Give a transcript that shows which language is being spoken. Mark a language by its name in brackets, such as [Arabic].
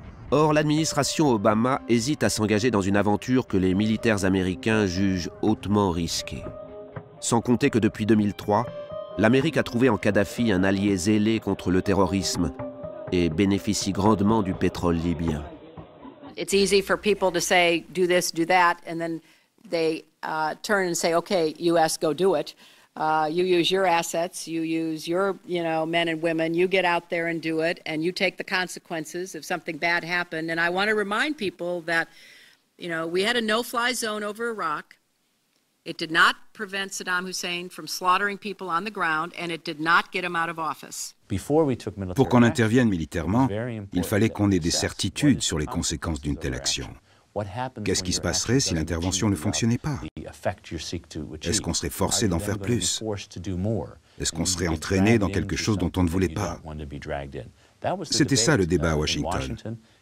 [French] Or, l'administration Obama hésite à s'engager dans une aventure que les militaires américains jugent hautement risquée. Sans compter que depuis 2003, l'Amérique a trouvé en Kadhafi un allié zélé contre le terrorisme et bénéficie grandement du pétrole libyen. [English] It's easy for people to say do this, do that, and then they turn and say, okay, U.S., go do it. You use your assets, you use your, you know, men and women, you get out there and do it, and you take the consequences if something bad happened. And I want to remind people that, you know, we had a no-fly zone over Iraq. It did not prevent Saddam Hussein from slaughtering people on the ground, and it did not get him out of office. [French] Pour qu'on intervienne militairement, il fallait qu'on ait des certitudes sur les conséquences d'une telle action. Qu'est-ce qui se passerait si l'intervention ne fonctionnait pas? Est-ce qu'on serait forcé d'en faire plus? Est-ce qu'on serait entraîné dans quelque chose dont on ne voulait pas? C'était ça le débat à Washington.